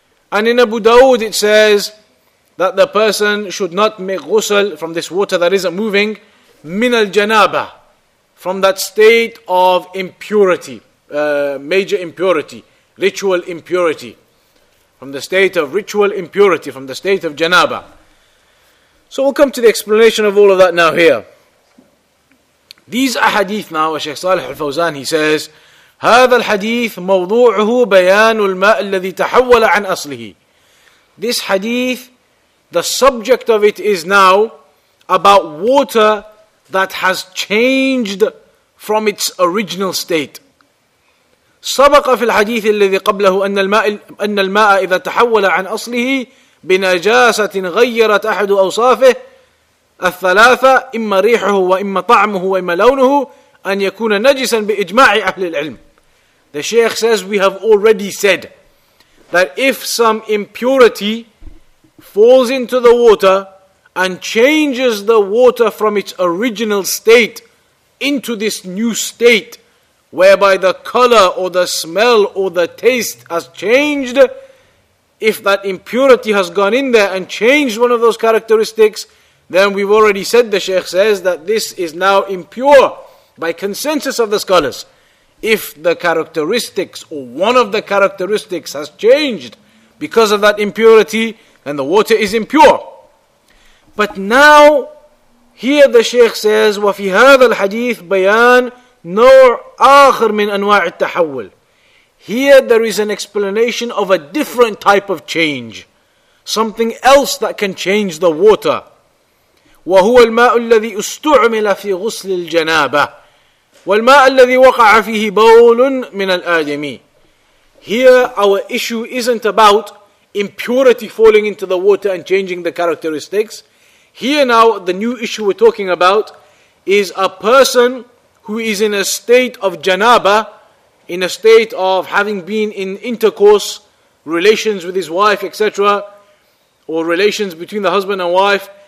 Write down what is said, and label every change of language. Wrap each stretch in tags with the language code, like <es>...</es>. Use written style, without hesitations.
<en>And in Abu Dawud, it says that the person should not make ghusl from this water that isn't moving, min al janaba, from that state of impurity, major impurity, ritual impurity. From the state of ritual impurity, from the state of janaba. So we'll come to the explanation of all of that now here. These ahadith now, Shaykh Salih al-Fawzan, he says,</en> <ar>هذا الحديث موضوعه بيان الماء الذي تحول عن أصله.</ar> <en>This hadith, the subject of it is now about water that has changed from its original state.</en> <ar>سبق في الحديث الذي قبله أن الماء إذا تحول عن أصله بنجاسة غيرت أحد أوصافه الثلاثة إما ريحه وإما طعمه وإما لونه أن يكون نجسا بإجماع أهل العلم.</ar> <en>The Shaykh says, we have already said that if some impurity falls into the water and changes the water from its original state into this new state, whereby the color or the smell or the taste has changed, if that impurity has gone in there and changed one of those characteristics, then we've already said, the Shaykh says, that this is now impure by consensus of the scholars. If the characteristics or one of the characteristics has changed because of that impurity, then the water is impure. But now, here the Shaykh says,</en> <ar>وَفِي هَذَا الْحَدِيثِ بَيَانْ نَوْعْ آخر مِنْ أَنْوَاعِ التَّحَوُّلِ.</ar> <en>Here there is an explanation of a different type of change, something else that can change the water.</en> <ar>وَهُوَ الْمَاءُ الَّذِي أُسْتُعْمِلَ فِي غُسْلِ الْجَنَابَةِ والماء الذي وقع فيه بول من الآدمي.</ar> <en>Here our issue isn't about impurity falling into the water and changing the characteristics. Here now the new issue we're talking about is a person who is in a state of janaba, in a state of having been in intercourse, relations with his wife, etc., or relations between the husband and wife.</en>